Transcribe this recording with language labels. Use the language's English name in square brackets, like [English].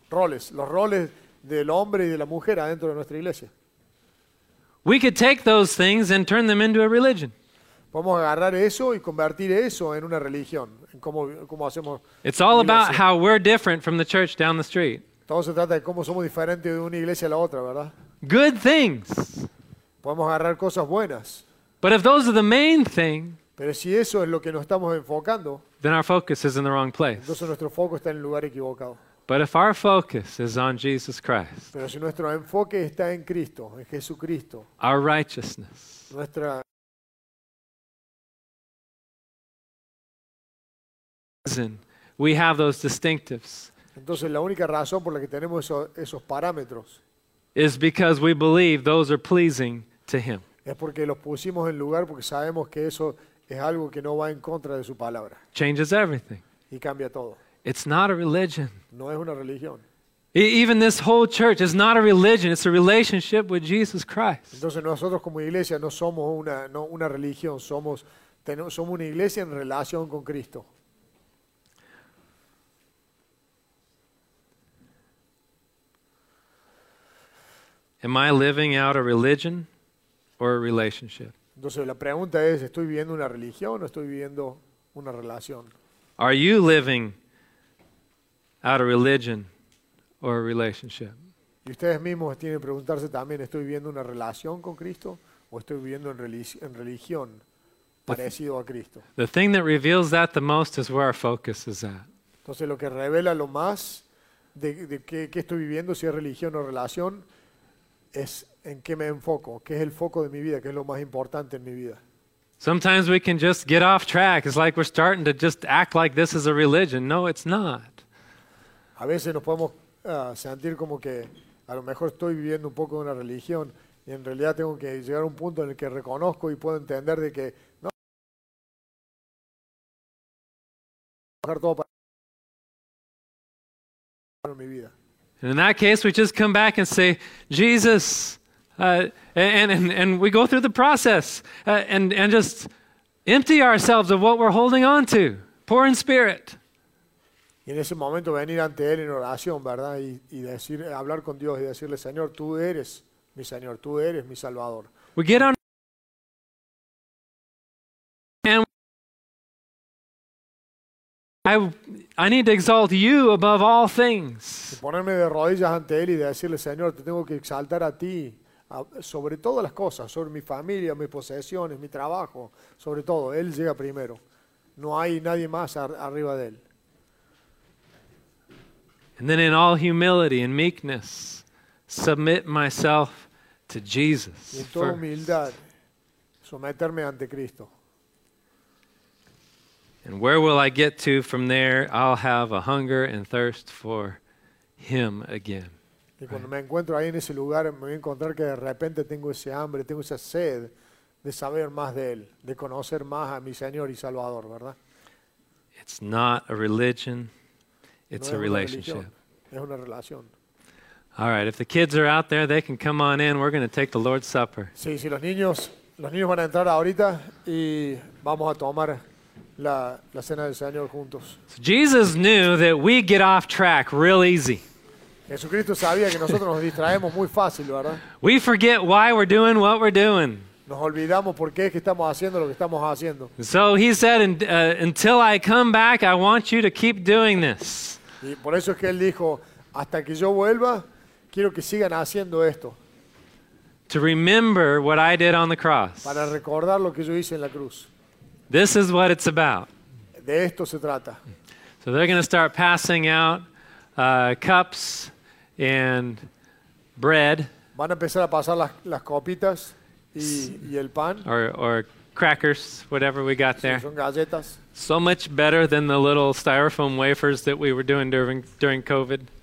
[Spanish] Roles, los roles del hombre y de la mujer adentro de nuestra iglesia. [English] We could take those things and turn them into a religion. [Spanish] Podemos agarrar eso y convertir eso en una religión, en cómo hacemos. [English] It's all about how we're different from the church down the street. [Spanish] Todo se trata de cómo somos diferentes de una iglesia a la otra, ¿verdad? [English] Good things. [Spanish] Podemos agarrar cosas buenas. [English] But if those are the main thing, [Spanish] pero si eso es lo que nos estamos enfocando, [English] then our focus is in the wrong place. [Spanish] Entonces nuestro foco está en el lugar equivocado. [English] But if our focus is on Jesus Christ, [Spanish] pero si nuestro enfoque está en Cristo, en Jesucristo, [English] our righteousness, [Spanish] nuestra [English] reason, we have those distinctives. [Spanish] Entonces la única razón por la que tenemos esos parámetros [English] is because we believe those are pleasing to Him. [Spanish] Es porque los pusimos en lugar porque sabemos que eso es algo que no va en contra de su palabra. [English] Changes everything. [Spanish] Y cambia todo. [English] It's not a religion. [Spanish] No es una religión. [English] Even this whole church is not a religion. It's a relationship with Jesus Christ. [Spanish] Entonces nosotros como iglesia no somos una religión. Somos una iglesia en relación con Cristo. [English] Am I living out a religion or a relationship? [Spanish] Entonces la pregunta es, ¿estoy viviendo una religión o estoy viviendo una relación? [English] Are you living out a religion or a relationship? [Spanish] Y ustedes mismos tienen que preguntarse también, ¿estoy viviendo una relación con Cristo o estoy viviendo en religión parecido a Cristo? [English] The thing that reveals that the most is where our focus is at. [Spanish] Entonces lo que revela lo más de qué estoy viviendo, si es religión o relación, es en qué me enfoco, qué es el foco de mi vida, qué es lo más importante en mi vida. [English] Sometimes we can just get off track. It's like we're starting to just act like this is a religion. No, it's not. [Spanish] A veces nos podemos sentir como que a lo mejor estoy viviendo un poco de una religión y en realidad tengo que llegar a un punto en el que reconozco y puedo entender de que no. Dejar todo para mi vida. [English] And in that case, we just come back and say, Jesus, and we go through the process and just empty ourselves of what we're holding on to, poor in spirit. [Spanish] Y en ese momento venir ante Él en oración, ¿verdad? Y decir, hablar con Dios y decirle, Señor, Tú eres mi Señor, Tú eres mi Salvador. [English] We get on and I need to exalt you above all things. [Spanish] Ponerme de rodillas ante Él y decirle, Señor, te tengo que exaltar a ti sobre todas las cosas, sobre mi familia, mis posesiones, mi trabajo, sobre todo. Él llega primero. No hay nadie más arriba de Él. [English] And then in all humility and meekness, submit myself to Jesus. [Spanish] Y en toda humildad, someterme ante Cristo. [English] And where will I get to from there? I'll have a hunger and thirst for Him again. [Spanish] Y cuando me encuentro ahí en ese lugar, me voy a encontrar que de repente tengo ese hambre, tengo esa sed de saber más de Él, de conocer más a mi Señor y Salvador, ¿verdad? [English] It's not a religion, it's a relationship. [Spanish] Es una relación. [English] All right, if the kids are out there, they can come on in. We're going to take the Lord's Supper. [Spanish] Sí, los niños van a entrar ahorita y vamos a tomar la cena del Señor juntos. [English] So Jesus knew that we get off track real easy. [Spanish] Jesucristo sabía que nosotros nos distraemos muy fácil, ¿verdad? [English] We forget why we're doing what we're doing. [Spanish] Nos olvidamos por qué es que estamos haciendo lo que estamos haciendo. [English] So He said, "Until I come back, I want you to keep doing this." [Spanish] Y por eso es que Él dijo, "Hasta que yo vuelva, quiero que sigan haciendo esto." [English] To remember what I did on the cross. [Spanish] Para recordar lo que yo hice en la cruz. [English] This is what it's about. [Spanish] De esto se trata. [English] So they're going to start passing out cups and bread. [Spanish] Van a empezar a pasar las copitas y el pan. [English] Or crackers, whatever we got there. [Spanish] Son galletas. [English] So much better than the little styrofoam wafers that we were doing during COVID.